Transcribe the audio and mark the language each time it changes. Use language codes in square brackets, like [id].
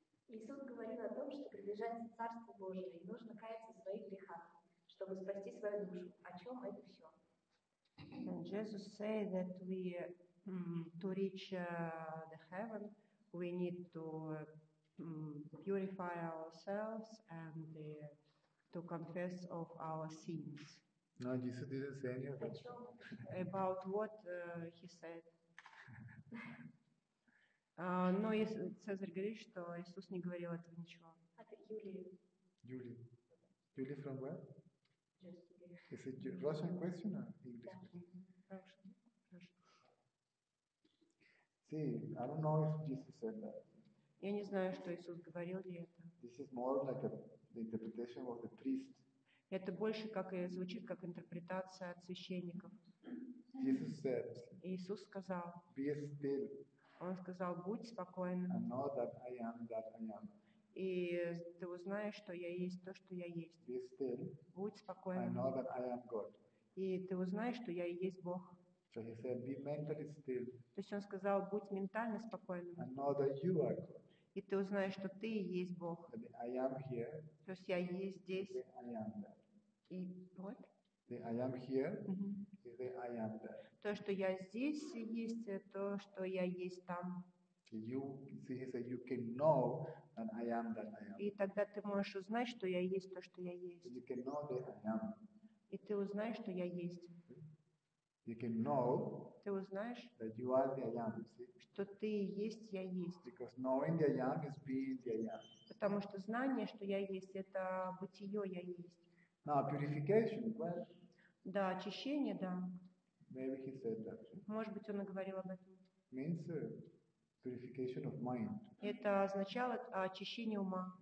[ru] Иисус говорил о том, что приближается Царство Божие, и нужно каяться в своих грехах, чтобы спасти свою душу. О чем это все? [en] Jesus said that we to reach the heaven. We need to purify ourselves and to confess of our sins. No, Jesus didn't say any of that. About what he said. [ru] Но Цезарь говорит, что Иисус не говорил этого ничего. От Юлии. [en] Юлия from where? Just is it Russian question or English question? Russian. See, I don't know if Jesus said that. [ru] Я не знаю, что Иисус говорил ли это. [en] This is more like the interpretation of the priest. [ru] Это больше как и звучит как интерпретация от священников. [en] Jesus said. [ru] Иисус сказал. [en] Be still. [ru] Он сказал: будь спокойным. [en] And know that I am that I am. [ru] И ты узнаешь, что я есть то, что я есть. [en] Be still. [ru] Будь спокойным. [en] And know that I am God. [ru] И ты узнаешь, что я и есть Бог. [en] So he said, "Be mentally still." [ru] То есть он сказал: будь ментально спокойным. [en] And know that you are God. [ru] И ты узнаешь, что ты и есть Бог. [en] I am here. [ru] То есть я есть здесь. [en] I am there. [ru] И вот. [en] The I am here. The I am there. [ru] То, что я здесь есть, то, что я есть там. [en] You see, he said, "You can know that I am that I am." [ru] И тогда ты можешь узнать, что я есть то, что я есть. [en] You can know that I am. [ru] И ты узнаешь, что я есть. [en] You can know, [ru] ты узнаешь, [en] that you are the I am, [ru] что ты есть, я есть. [en] Because knowing the I am is being the I am. [ru] Потому что знание, что я есть, это бытие, я есть. [en] Now, purification, well, [ru] да, очищение, да. [en] Maybe he said that. [ru] Может быть, он и говорил об этом. [en] Means, purification of mind. [ru] Это означало очищение ума.